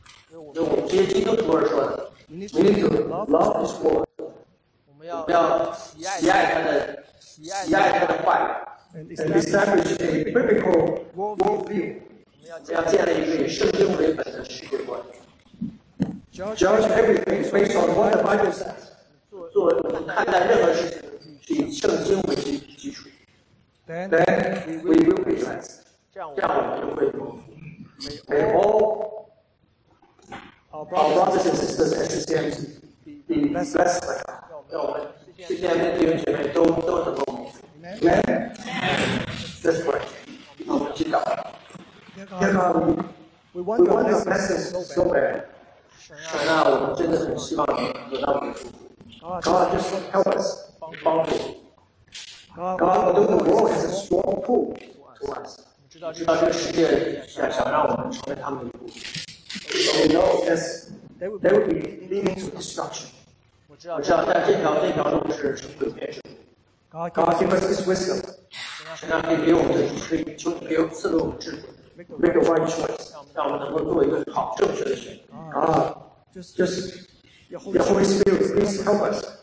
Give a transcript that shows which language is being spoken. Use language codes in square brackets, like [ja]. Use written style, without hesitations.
[zh] 那我们这些基督徒而说的 [en] ，We need to love His word. [zh] 我们要喜爱他的话语。 [en] And establish a biblical worldview. [zh] 我们要建立一个以圣经为本的世界观。 [en] Judge everything based on what the Bible says. [zh] 做我们看待任何事情是以圣经为基础。 [en] Then we will be blessed. [zh] 这样我们就会蒙福。 [en] May all our brothers and sisters at CCMC be blessed by God. [zh] 让我们CCMC的弟兄姐妹都能够蒙福。 [en] Amen. That's right. [zh] 我们祈祷。天父，我们 [en] we want your blessings so bad. [zh] 神啊，我们真的很希望你得到我们的祝福。 [en] God, just help us. [zh] 帮助。 [en] God, although the world has a strong pull to us, [zh] 知道这个世界想让我们成为他们的奴隶。 [en] So we know that they will be leading to destruction. [zh] 我知道但这条路是毁灭之路。 [en] God, give us this wisdom. [zh] 神啊，给我们的智慧，求你给我们赐给我们智慧。 [en] Make a right choice. [zh] 让我们能够做一个好正确的选择。 [en] God, just your Holy Spirit, please help us.